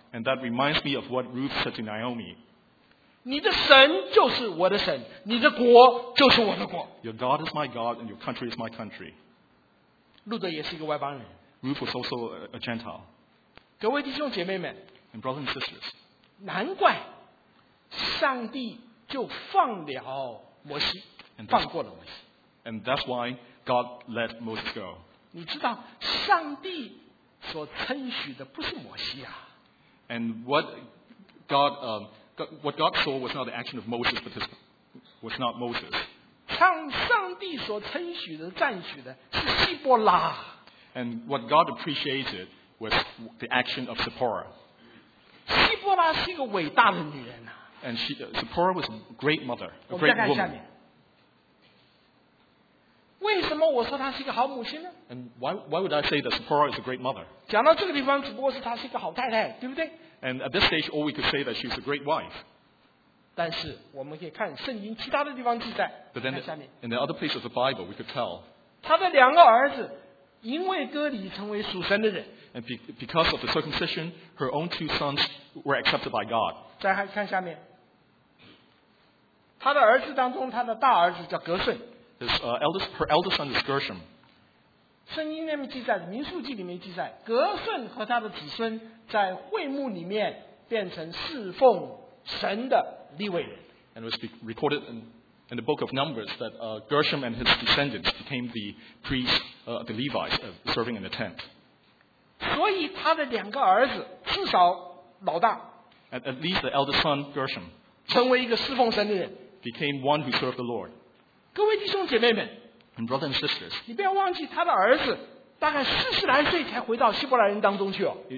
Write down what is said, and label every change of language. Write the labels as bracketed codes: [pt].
[en] And that reminds me of what Ruth said to Naomi. [zh] 你的神就是我的神，你的国就是我的国。 [en] Your God is my God and your country is my country. [zh] 路德也是一个外邦人。 [en] Ruth was also a Gentile. [zh] 各位弟兄姐妹们。 [en] And brothers and sisters. [zh] 难怪上帝就放了摩西，放过了摩西。 [en] And that's why God let Moses go. [zh] 你知道上帝所称许的不是摩西啊。 [en] And what God saw was not the action of Moses, but was not Moses. [zh] 上帝所称许的赞许的是希伯拉。 [en] And what God appreciated was the action of Sephora. [zh] 希伯拉是一个伟大的女人啊。 [en] And Sephora was a great mother, a great woman. [zh] 为什么我说她是一个好母亲呢？ [en] And why would I say that Sephora is a great mother? [zh] 讲到这个地方，只不过是她是一个好太太，对不对？ [en] And at this stage, all we could say that she's a great wife. [zh] 但是我们可以看圣经其他的地方记载。 [en] But then, in the other places of the Bible, we could tell. [zh] 她的两个儿子因为割礼成为属神的人。 [en] And because of the circumcision, her own two sons were accepted by God. [zh] 再看下面。他的儿子当中，他的大儿子叫格顺。 [en] Her eldest son is Gershom. [zh] 圣经里面记载，民数记里面记载，格顺和他的子孙在会幕里面变成侍奉神的立位人。 [en] And it was recorded in the book of Numbers that Gershom and his descendants became the priests, the Levites, serving in the tent. [zh] 所以他的两个儿子，至少老大。 [en] At least the eldest son, Gershom. [zh] 成为一个侍奉神的人 [en] became one who served the Lord. [zh] 各位弟兄姐妹们 [en] and brothers and sisters, [zh] 你不要忘记他的儿子大概四十来岁才回到希伯来人当中去哦。